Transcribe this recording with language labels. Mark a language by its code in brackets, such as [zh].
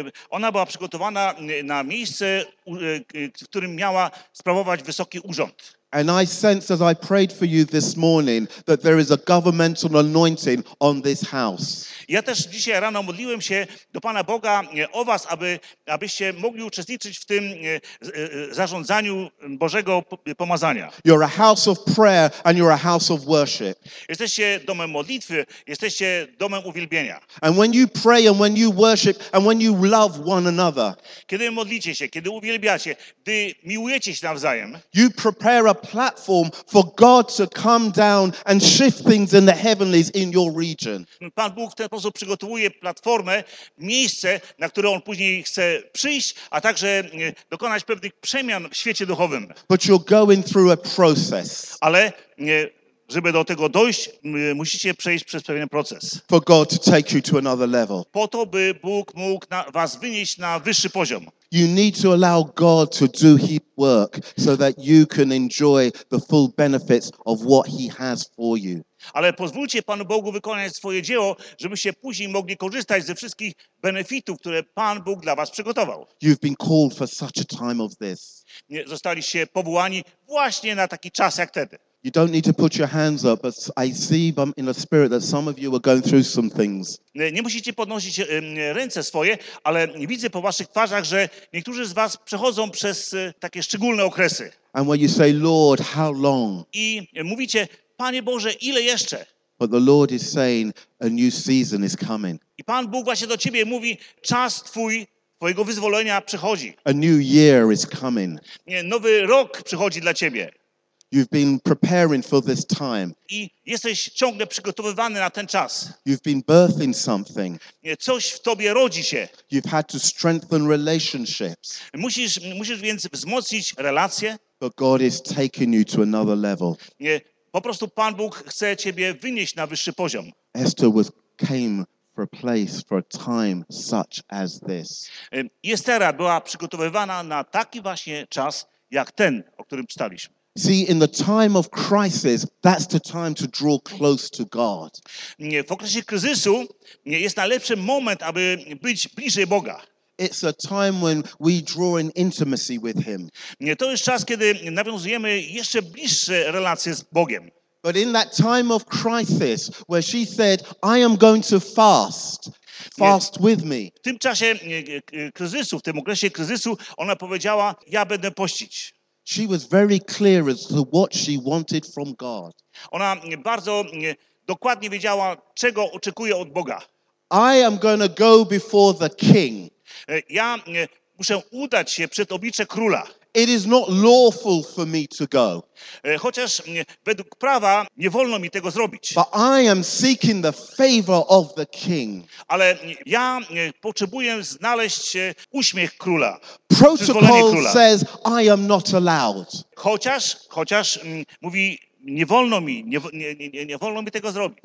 [pl] Ona była przygotowana na miejsce, w którym miała sprawować wysoki urząd. [en] And I sense as I prayed for you this morning that there is a governmental anointing on this house. [pl] Ja też dzisiaj rano modliłem się do Pana Boga o was, abyście mogli uczestniczyć w tym zarządzaniu Bożego pomazania. [en] You're a house of prayer and you're a house of worship. [pl] Jesteście domem modlitwy, jesteście domem uwielbienia. [en] And when you pray and when you worship and when you love one another. [pl] Kiedy modlicie się, kiedy uwielbiacie, gdy miłujecie się nawzajem. [en] You prepare a platform for God to come down and shift things in the heavenlies in your region. [pl] Pan Bóg w ten sposób przygotowuje platformę, miejsce, na które on później chce przyjść, a także dokonać pewnych przemian w świecie duchowym. [en] But you're going through a process. [pl] Ale żeby do tego dojść, musicie przejść przez pewien proces. [en] For God to take you to another level. [pl] Po to, by Bóg mógł was wynieść na wyższy poziom. [en] You need to allow God to do His work so that you can enjoy the full benefits of what He has for you. [pl] Ale pozwólcie Panu Bogu wykonać swoje dzieło, żebyście później mogli korzystać ze wszystkich benefitów, które Pan Bóg dla was przygotował. [en] You've been called for such a time of this. [pl] Zostaliście powołani właśnie na taki czas jak wtedy. [en] You don't need to put your hands up, but I see in the spirit that some of you are going through some things. [pl] Nie musicie podnosić ręce swoje, ale widzę po waszych twarzach, że niektórzy z was przechodzą przez takie szczególne okresy. [en] And when you say, Lord, how long? [pl] I mówicie, Panie Boże, ile jeszcze? [en] But the Lord is saying, a new season is coming. [pl] I Pan Bóg właśnie do ciebie mówi, czas twojego wyzwolenia przychodzi. [en] A new year is coming. [pl] Nowy rok przychodzi dla ciebie. [en] You've been preparing for this time. [pl] I jesteś ciągle przygotowywany na ten czas. [en] You've been birthing something. [pl] Coś w tobie rodzi się. [en] You've had to strengthen relationships. [pl] Musisz więc wzmocnić relacje. [en] But God is taking you to another level. [pl] Po prostu Pan Bóg chce ciebie wynieść na wyższy poziom. [en] Esther came for a place, for a time such as this. [pl] Estera była przygotowywana na taki właśnie czas, jak ten, o którym czytaliśmy. [en] See, in the time of crisis, that's the time to draw close to God. [pl] W okresie kryzysu jest najlepszy moment, aby być bliżej Boga. [en] It's a time when we draw in intimacy with Him. [pl] To jest czas, kiedy nawiązujemy jeszcze bliższe relacje z Bogiem. [en] But in that time of crisis, where she said, I am going to fast with me. [pl] W tym czasie kryzysu, w tym okresie kryzysu, ona powiedziała, ja będę pościć. [en] She was very clear as to what she wanted from God. [pl] Ona bardzo dokładnie wiedziała, czego oczekuje od Boga. [en] I am going to go before the king. [pl] Ja muszę udać się przed oblicze króla. [en] It is not lawful for me to go. [pl] Chociaż według prawa nie wolno mi tego zrobić. [en] But I am seeking the favor of the king. [pl] Ale ja potrzebuję znaleźć uśmiech króla. [en] Protocol [pl] króla. [en] Says I am not allowed. [pl] Chociaż mówi nie wolno mi, nie wolno mi tego zrobić.